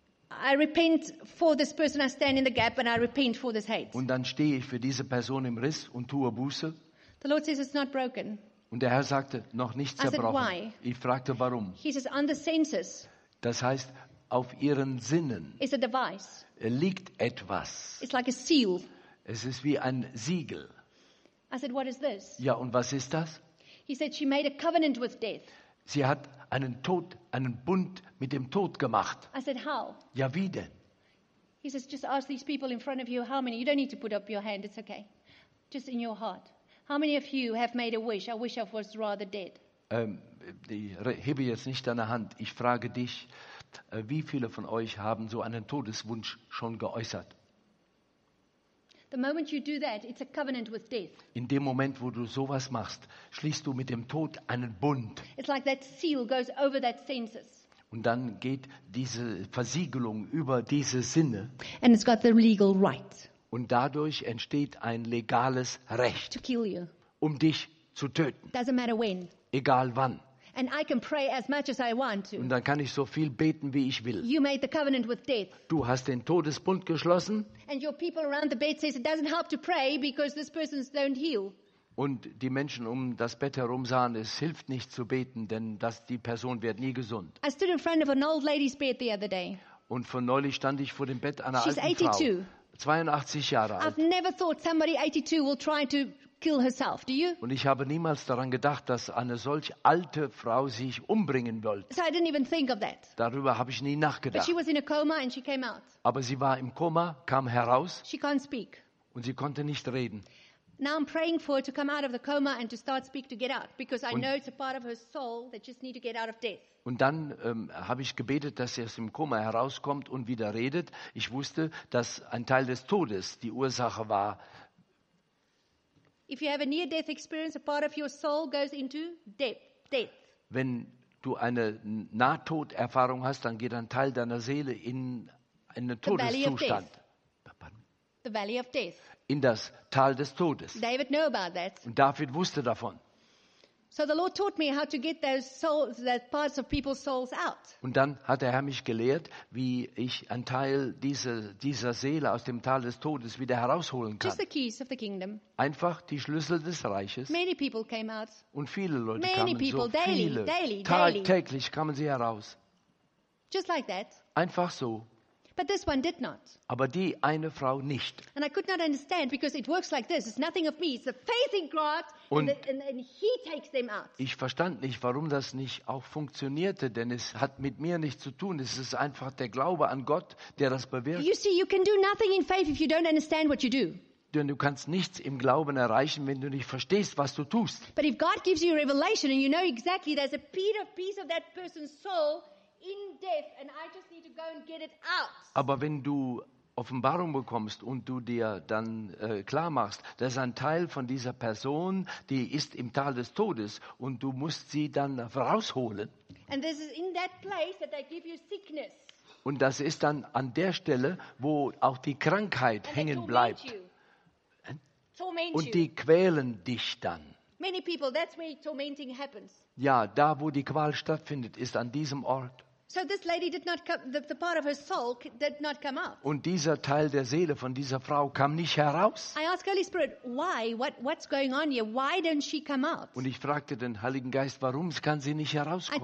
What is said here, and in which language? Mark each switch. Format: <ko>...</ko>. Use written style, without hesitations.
<en>I repent for this person, I stand in the gap and I repent for this hate.</en> <de>Und dann stehe ich für diese Person im Riss und tue Buße.</de> <en>The Lord says it's not broken.</en> <de>Und der Herr sagte, noch nicht zerbrochen.</de> <en>I said, why?</en> <de>Ich fragte warum.</de> <en>He says on the senses.</en> <de>Das heißt, auf ihren Sinnen</de> <en>a device.</en> <de>Liegt etwas.</de> <en>It's like a seal.</en> <de>Es ist wie ein Siegel.</de> <en>I said, what is this?</en> <de>Ja, und was ist das?</de> <en>He said, she made a covenant with death.</en> <de>Sie hat einen Bund mit dem Tod gemacht.</de> <en>I said, how?</en> <de>Ja, wie denn?</de> <en>He says, just ask these people in front of you how many. You don't need to put up your hand. It's okay. Just in your heart. How many of you have made a wish? I wish I was rather dead.</en> <de>Ich hebe jetzt nicht deine Hand. Ich frage dich. Wie viele von euch haben so einen Todeswunsch schon geäußert?</de> <en>The moment you do that, it's a covenant with death.</en> <de>In dem Moment, wo du sowas machst, schließt du mit dem Tod einen Bund.</de> <en>It's like that seal goes over that senses.</en> <de>Und dann geht diese Versiegelung über diese Sinne.</de> <en>And it's got the legal right.</en> <de>Und dadurch entsteht ein legales Recht,</de> <en>to kill you.</en> <de>Um dich zu töten.</de> <en>Doesn't matter when.</en> <de>Egal wann.</de> <en>And I can pray as much as I want to.</en> <de>Und dann kann ich so viel beten, wie ich will.</de> <en>You made the covenant with death.</en> <de>Du hast den Todesbund geschlossen.</de> <en>And your people around the bed says it doesn't help to pray because this person don't heal.</en> <de>Und die Menschen um das Bett herum sahen, es hilft nicht zu beten, denn die Person wird nie gesund.</de> <en>I stood in front of an old lady's bed the other day.</en> <de>Und von neulich stand ich vor dem Bett einer</de> <en>She's</en> <de>alten</de> <en>82.</en> <de>Frau. 82 Jahre alt.</de> <en>I've never thought somebody 82 will try to kill herself, do you?</en> <de>Und ich habe niemals daran gedacht, dass eine solch alte Frau sich umbringen wollte.</de> <en>So I didn't even think of that.</en> <de>Darüber habe ich nie nachgedacht.</de> <en>But she was in a coma and she came out.</en> <de>Aber sie war im Koma, kam heraus.</de> <en>She can't speak.</en> <de>Und sie konnte nicht reden.</de> <en>Now I'm praying for her to come out of the coma and to start speak to get out, because I know it's a part of her soul that just need to get out of death.</en> <de>Und dann habe ich gebetet, dass sie aus dem Koma herauskommt und wieder redet. Ich wusste, dass ein Teil des Todes die Ursache war.</de> <en>If you have a near-death experience, a part of your soul goes into death.</en> <de>Wenn du eine Nahtoderfahrung hast, dann geht ein Teil deiner Seele in einen Todeszustand.</de> <en>The valley of death.</en> <de>In das Tal des Todes.</de> <en>David knew about that.</en> <de>Und David wusste davon.</de> <en>So the Lord taught me how to get those souls, that parts of people's souls out.</en> <de>Und dann hat der Herr mich gelehrt, wie ich einen Teil dieser Seele aus dem Tal des Todes wieder herausholen kann.</de> <en>Just the keys of the kingdom.</en> <de>Einfach die Schlüssel des Reiches.</de> <en>Many people came out.</en> <de>Und viele Leute</de> <en>Many</en> <de>kamen</de> <en>people,</en> <de>so</de> <en>daily,</en> <de>viele.</de> <en>Daily,</en> <de>tagtäglich kamen sie heraus.</de> <en>Just like that.</en> <de>Einfach so.</de> <en>But this one did not.</en> <de>Aber die eine Frau nicht.</de> <en>And I could not understand because it works like this. It's nothing of me. It's the faith in God, and He takes them out.</en> <de>Ich verstand nicht, warum das nicht auch funktionierte, denn es hat mit mir nichts zu tun. Es ist einfach der Glaube an Gott, der das bewirkt.</de> <en>You see, you can do nothing in faith if you don't understand what you do.</en> <de>Denn du kannst nichts im Glauben erreichen, wenn du nicht verstehst, was du tust.</de> <en>But if God gives you a revelation and you know exactly there's a piece of that person's soul in death and I just need to go and get it out.</en> <de>Aber wenn du Offenbarung bekommst und du dir dann klar machst, dass ein Teil von dieser Person, die ist im Tal des Todes und du musst sie dann rausholen.</de> <en>And this is in that place that they give you sickness.</en> <de>Und das ist dann an der Stelle, wo auch die Krankheit</de> <en>and</en> <de>hängen bleibt.</de> <en>Torment</en> <de>und die quälen dich dann.</de> <en>Many people, that's where tormenting happens.</en> <de>Ja, da wo die Qual stattfindet, ist an diesem Ort.</de> <en>So this lady did not come, the part of her soul did not come out.</en> <de>Und dieser Teil der Seele von dieser Frau kam nicht heraus.</de> <en>I asked Holy Spirit, why? What's going on here? Why didn't she come out?</en> <de>Und ich fragte den Heiligen Geist, warum kann sie nicht herauskommen?</de>